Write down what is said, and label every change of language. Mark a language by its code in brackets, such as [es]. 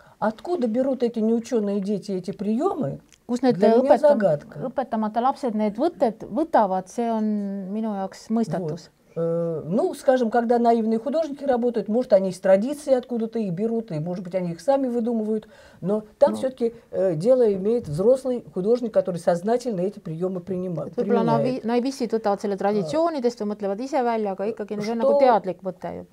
[ru] Откуда берут эти неученые дети эти приемы? [et] Kus need õpetamata lapsed need võtted võtavad, see on minu jaoks mõistatus. [ru] Вот. Ну, скажем, когда наивные художники работают, может, они из традиции откуда-то их берут, и, может быть, они их сами выдумывают. Но там все-таки дело имеет взрослый художник, который сознательно эти приемы принимает. Наивисты тутают целые традиционные, то есть умотливают и себя, а как они уже на театрик вытают.